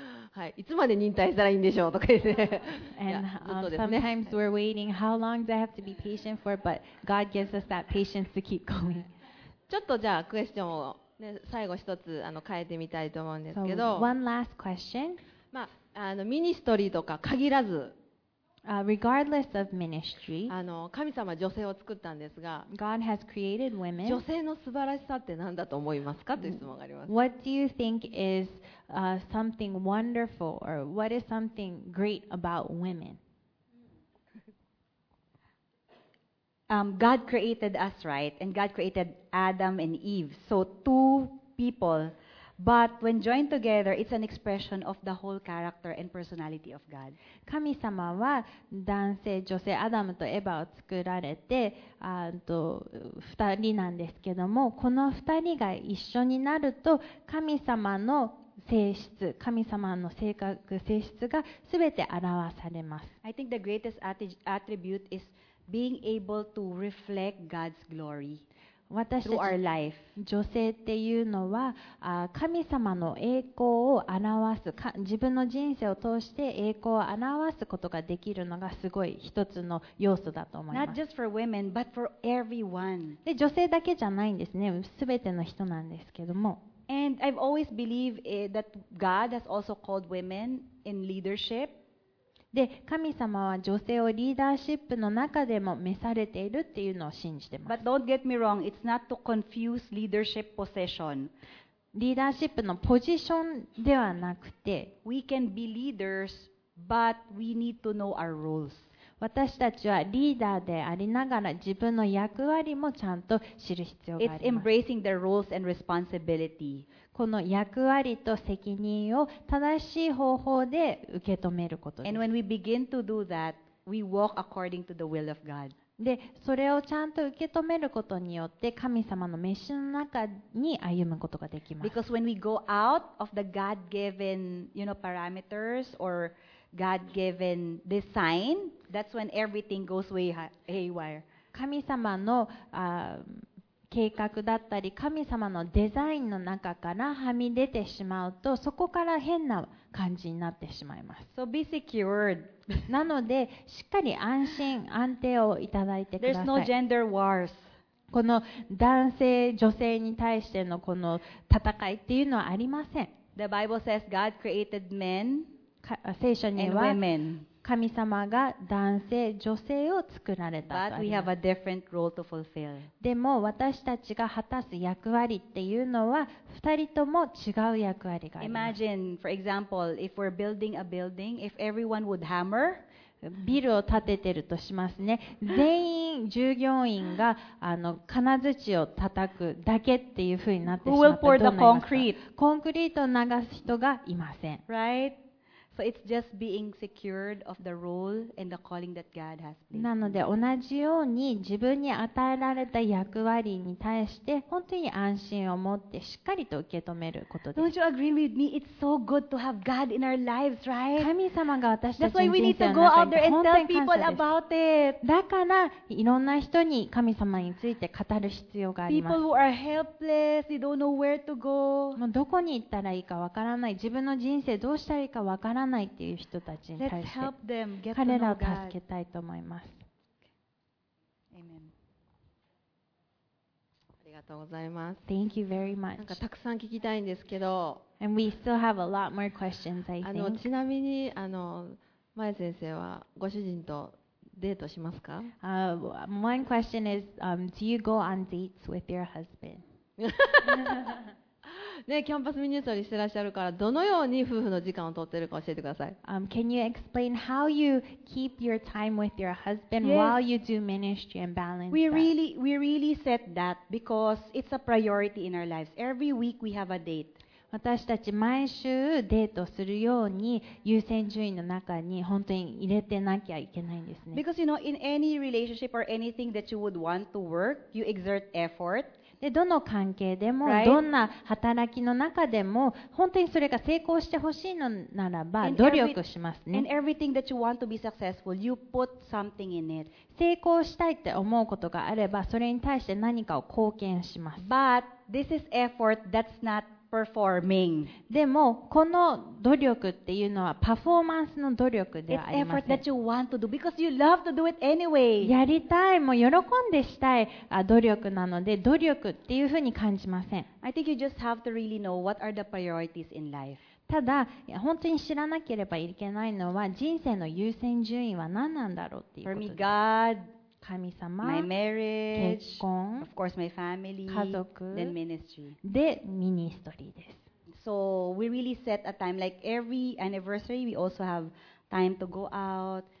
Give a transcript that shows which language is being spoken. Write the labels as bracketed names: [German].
[Japanese] はい。いつまで忍耐したらいいんでしょうとかですね。 [English] And sometimes we're waiting. How long do I have to be patient for? But God gives us that patience to keep going. [Japanese] ちょっとじゃあクエスチョンを。ね、最後一つ変えてみたいと思うんですけど、 [English] So, one last question. [Japanese] まあミニストリーとか限らず、 [English] regardless of ministry, [Japanese] 神様は女性を作ったんですが、 [English] God has created women. [Japanese] 女性の素晴らしさって何だと思いますかという質問があります。 [English] What do you think is something wonderful or what is something great about women? God created us, right? And God created Adam and Eve. So two people. But when joined together, it's an expression of the whole character and personality of God. [Japanese] 神様は男性、女性、アダムとエヴァを作られて、二人なんですけども、この二人が一緒になると、神様の性質、神様の性格、性質が全て表されます。 [English] I think the greatest attribute is being able to reflect God's glory. [Japanese] 私たち女性っていうのは神様の栄光を表す、自分の人生を通して栄光を表すことができるのがすごい一つの要素だと思います。 [English] Not just for women, but for everyone. [Japanese] で、女性だけじゃないんですね。全ての人なんですけども。 [English] And I've always believed that God has also called women in leadership. [Japanese] で、神様は女性をリーダーシップの中でも召されているっていうのを信じてます。 [English] But don't get me wrong, it's not to confuse leadership possession. [Japanese] リーダーシップのポジションではなくて、 [English] We can be leaders, but we need to know our roles. [Japanese] 私たちはリーダーでありながら自分の役割もちゃんと知る必要があります。 [English] It's embracing the roles and responsibility. [Japanese] この役割と責任を正しい方法で受け止めることです。 [English] And when we begin to do that, we walk according to the will of God. [Japanese] で、それをちゃんと受け止めることによって神様の召しの中に歩むことができます。 [English] Because when we go out of the God-given, you know, parameters or God-given design, that's when everything goes haywire. [Japanese] 神様の計画だったり神様のデザインの中からはみ出てしまうと、そこから変な感じになってしまいます。 [English] So be secured. [Japanese] なのでしっかり安心安定をいただいてください。 [English] There's no gender wars. [Japanese] この男性女性に対してのこの戦いっていうのはありません。 [English] The Bible says God created men. [Japanese] 聖書には神様が男性、女性を作られたとあります。 [English] But we have a different role to fulfill. [Japanese] でも私たちが果たす役割っていうのは二人とも違う役割があります。 [English] Imagine, for example, if we're building a building, if everyone would hammer, [Japanese] ビルを建ててるとしますね。全員従業員が金槌を叩くだけっていうふうになってしまったらどうなりますか？コンクリートを流す人がいません。 [English] Right? So it's just being secured of the role and the calling that God has placed. [Japanese] なので同じように自分に与えられた役割に対して本当に安心を持ってしっかりと受け止めることです。 [English] Don't you agree with me? It's so good to have God in our lives, right? [Japanese] 神様が私たちの人生の中に本当に感謝です。だからいろんな人に神様について語る必要があります。 [English] People who are helpless, they don't know where to go. [Japanese] もうどこに行ったらいいかわからない。自分の人生どうしたらいいかわからない。ならないっていう人たちに対して彼らを助けたいと思います。ありがとうございます。 [English] Thank you very much. [Japanese] なんかたくさん聞きたいんですけど、 [English] And we still have a lot more questions, I think. [Japanese] ちなみに前先生はご主人とデートしますか？ [English] One question is, do you go on dates with your husband? [Japanese] ね、キャンパスミニストリーしてらっしゃるからどのように夫婦の時間を取ってるか教えてください。 [English] Can you explain how you keep your time with your husband、yes. while you do ministry and balance that? We really set that because it's a priority in our lives. Every week we have a date. [Japanese] 私たち毎週デートするように優先順位の中に本当に入れてなきゃいけないんですね。 [English] Because you know, in any relationship or anything that you would want to work, you exert effort. [Japanese] で、どの関係でも、 [English] right? [Japanese] どんな働きの中でも本当にそれが成功してほしいのならば努力しますね。 [English] And everything that you want to be successful, you put something in it. [Japanese] 成功したいって思うことがあればそれに対して何かを貢献します。 [English] But this is effort that's notperforming. [Japanese] でもこの努力っていうのはパフォーマンスの努力ではありません。 [English] It's effort that you want to do because you love to do it anyway. [Japanese] やりたい、もう喜んでしたい努力なので努力っていうふうに感じません。 [English] I think you just have to really know what are the priorities in life. [Japanese] ただ本当に知らなければいけないのは人生の優先順位は何なんだろうっていうことです。 [English] For me, God, [Japanese] 神様、 [English] my marriage, [Japanese] 結婚、 [English] of course, my family, [Japanese] 家族、 [English] then ministry. [Japanese] でミニストリーです。 [English] So we really set a time, like every anniversary we also have time to go out.